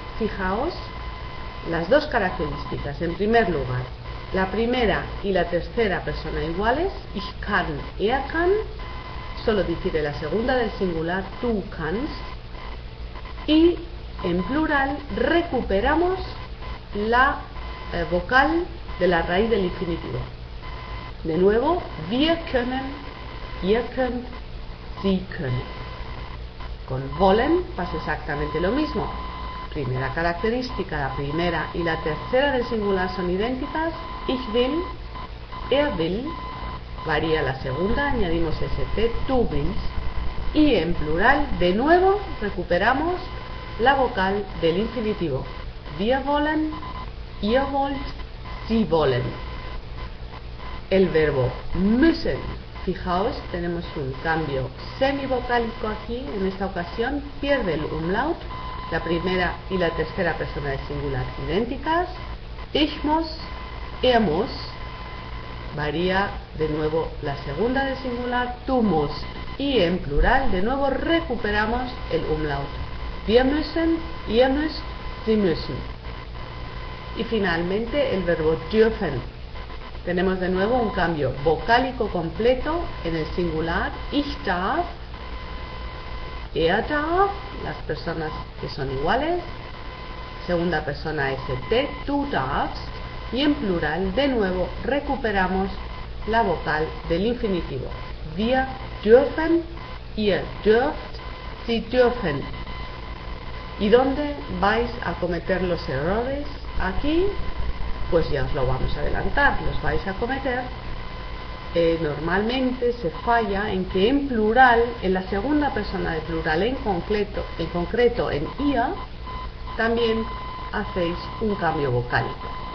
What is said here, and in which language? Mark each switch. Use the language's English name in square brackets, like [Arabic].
[Spanish] Fijaos las dos características. En primer lugar, la primera y la tercera persona iguales, [German] ich kann, er kann, [Spanish] solo difiere la segunda del singular, [German] du kannst, [Spanish] y en plural recuperamos la vocal de la raíz del infinitivo. De nuevo, [German] wir können, ihr könnt, sie können. [Spanish] Con wollen pasa exactamente lo mismo. Primera característica, la primera y la tercera del singular son idénticas. [German] Ich will, er will. [Spanish] Varía la segunda, añadimos st, [German] du willst. [Spanish] Y en plural, de nuevo, recuperamos la vocal del infinitivo. [German] Wir wollen, ihr wollt, sie wollen. [Spanish] El verbo müssen. Fijaos, tenemos un cambio semivocálico aquí, en esta ocasión, pierde el umlaut, la primera y la tercera persona de singular idénticas, [German] ich muss, er muss, [Spanish] varía de nuevo la segunda de singular, [German] du musst, [Spanish] y en plural de nuevo recuperamos el umlaut. [German] Wir müssen, ihr müsst, sie müssen. [Spanish] Y finalmente el verbo dürfen. Tenemos de nuevo un cambio vocálico completo en el singular. [German] Ich darf, er darf, [Spanish] las personas que son iguales. Segunda persona ST, tú darfst. Y en plural, de nuevo, recuperamos la vocal del infinitivo. [German] Wir dürfen, ihr dürft, sie dürfen. [Spanish] ¿Y dónde vais a cometer los errores aquí? Pues ya os lo vamos a adelantar, los vais a cometer. Normalmente se falla en que en plural, en la segunda persona de plural, en concreto en ihr, también hacéis un cambio vocálico.